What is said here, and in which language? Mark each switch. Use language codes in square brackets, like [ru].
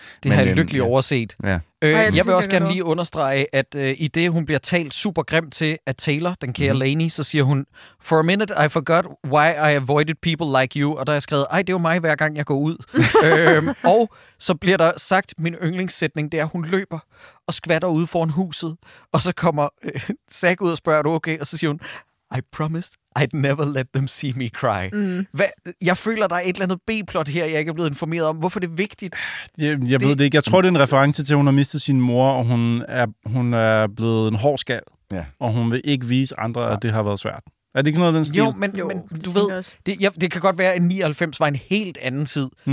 [da] Det har jeg lykkeligt overset. Ja. Jeg vil også gerne lige understrege, at i det, hun bliver talt super grimt til af Taylor, den kære Lainey, så siger hun, [en] for a minute I forgot why I avoided people like you, [da] og der er skrevet, ej, det er jo mig hver gang, jeg går ud. og så bliver der sagt, min yndlingssætning, det er, hun løber og skvatter ude foran huset, og så kommer Zack ud og spørger, er du okay? Og så siger hun, [en] I promised I'd never let them see me cry. [da] Mm. Jeg føler, der er et eller andet B-plot her, jeg ikke er blevet informeret om. Hvorfor er det vigtigt? Jeg ved det ikke. Jeg tror, det er en reference til, at hun har mistet sin mor, og hun er blevet en hård skal. Ja. Og hun vil ikke vise andre, at det har været svært. Er det ikke sådan noget den stil? Jo, men du ved, det kan godt være, at 99 var en helt anden tid. Mm.